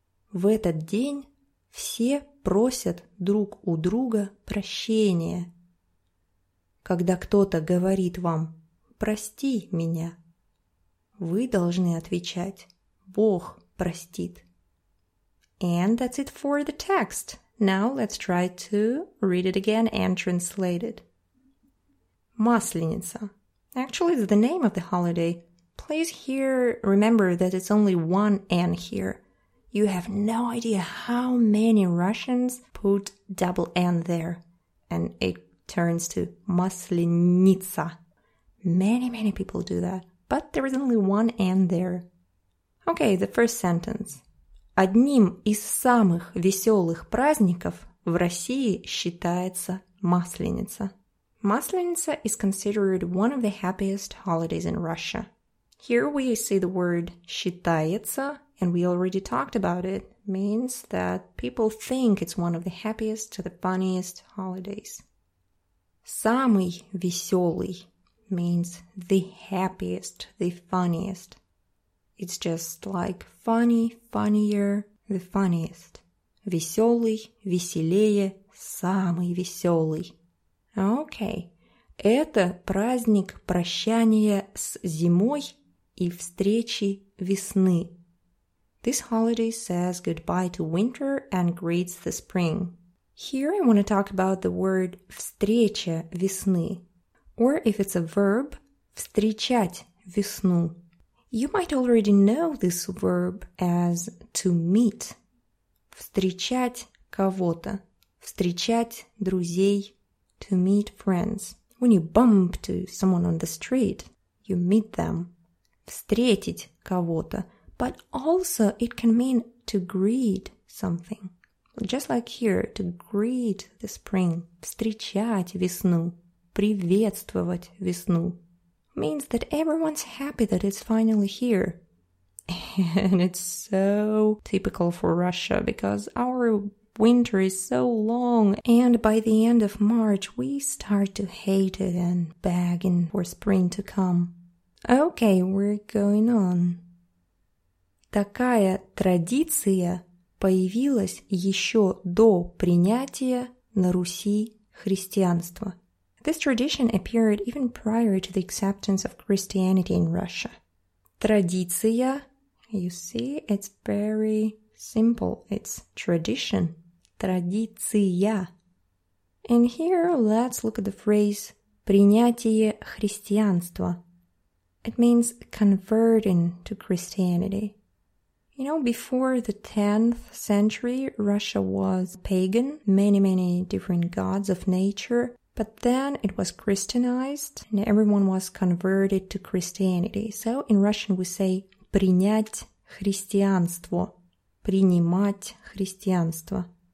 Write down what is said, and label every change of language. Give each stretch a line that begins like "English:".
Russian: В этот день все просят друг у друга прощения. Когда кто-то говорит вам «Прости меня», вы должны отвечать «Бог простит».
English: And that's it for the text. Now let's try to read it again and translate it. Масленица. Actually, it's the name of the holiday. Please here remember that it's only one N here. You have no idea how many Russians put double N there. And it turns to Масленица. Many, many people do that. But there is only one N there. Okay, the first sentence.
Russian: Одним из самых веселых праздников в России считается Масленица.
English: Масленица is considered one of the happiest holidays in Russia. Here we see the word
Russian: считается,
English: and we already talked about it, means that people think it's one of the happiest or the funniest holidays.
Russian: Самый веселый
English: means the happiest, the funniest. It's just like funny, funnier, the funniest.
Russian: Веселый, веселее, самый веселый.
English: Okay.
Russian: Это праздник прощания с зимой и встречи весны.
English: This holiday says goodbye to winter and greets the spring. Here I want to talk about the word
Russian: встреча весны.
English: Or if it's a verb,
Russian: встречать весну.
English: You might already know this verb as to meet.
Russian: Встречать кого-то. Встречать друзей.
English: To meet friends. When you bump to someone on the street, you meet them.
Russian: Встретить кого-то.
English: But also it can mean to greet something. Just like here, to greet the spring.
Russian: Встречать весну. Приветствовать весну.
English: Means that everyone's happy that it's finally here. And it's so typical for Russia because our winter is so long and by the end of March we start to hate it and begging for spring to come. Okay, we're going on.
Russian: Такая традиция появилась еще до принятия на Руси христианства.
English: This tradition appeared even prior to the acceptance of Christianity in Russia.
Russian: Традиция.
English: You see, it's very simple. It's tradition.
Russian: Традиция.
English: And here, let's look at the phrase
Russian: принятие христианства.
English: It means converting to Christianity. You know, before the 10th century, Russia was pagan, many, many different gods of nature. But then it was Christianized and everyone was converted to Christianity. So in Russian we say
Russian: принять христианство, принимать христианство.